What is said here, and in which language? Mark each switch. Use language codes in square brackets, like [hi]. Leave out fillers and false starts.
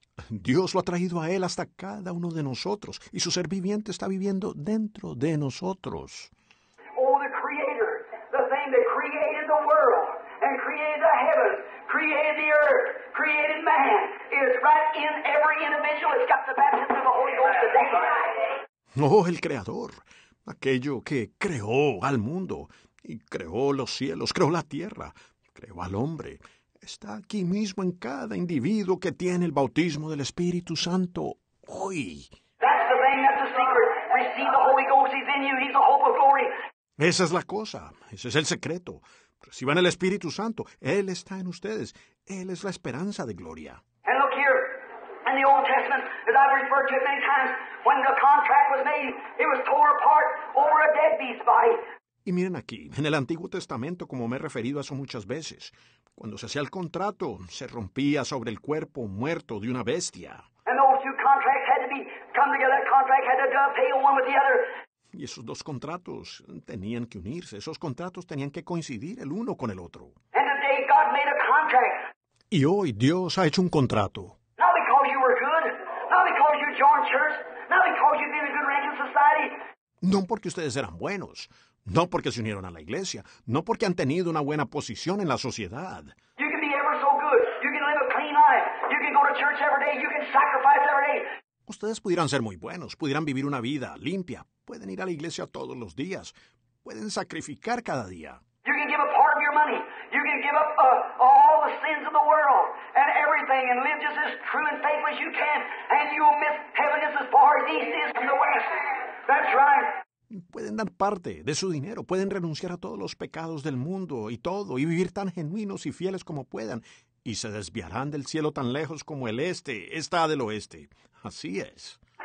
[es] Dios lo ha traído a él hasta cada uno de nosotros y su ser viviente está viviendo dentro de nosotros. [en] Oh, the creator, the thing that created the world and created the heavens, created the earth, created man, is right in every individual. It's got the baptism of the Holy Ghost today. [es] Oh, el Creador, aquello que creó al mundo y creó los cielos, creó la tierra, creó al hombre, está aquí mismo en cada individuo que tiene el bautismo del Espíritu Santo hoy. [en] That's the thing, that's the secret. Receive the Holy Ghost, he's in you, he's the hope of glory. [es] Esa es la cosa, ese es el secreto. Reciban el Espíritu Santo, él está en ustedes, él es la esperanza de gloria. [en] And look here, in the Old Testament, as I've referred to it many times, when the contract was made, it was torn apart over a dead beast's body. [es] Y miren aquí, en el Antiguo Testamento, como me he referido a eso muchas veces, cuando se hacía el contrato, se rompía sobre el cuerpo muerto de una bestia. [en] And those two contracts had to be come together. That contract had to dovetail one with the other. [es] Y esos dos contratos tenían que unirse. Esos contratos tenían que coincidir el uno con el otro. [en] And today God made a contract. [es] Y hoy Dios ha hecho un contrato. [en] Not because you were good, not because you joined church. Not because you've been a good ranking society. [es] No porque ustedes eran buenos, no porque se unieron a la iglesia, no porque han tenido una buena posición en la sociedad. [en] You can be ever so good. You can live a clean life. You can go to church every day. You can sacrifice every day. [es] Ustedes pudieran ser muy buenos, pudieran vivir una vida limpia, pueden ir a la iglesia todos los días, pueden sacrificar cada día. [en] You can give up part of your money. You can give up all the sins of the world and everything and live just as true and faithful as you can, and you'll miss heaven just as far as east is from the west. That's right. [es] Pueden dar parte de su dinero, pueden renunciar a todos los pecados del mundo y todo, y vivir tan genuinos y fieles como puedan, y se desviarán del cielo tan lejos como el este está del oeste. Así es.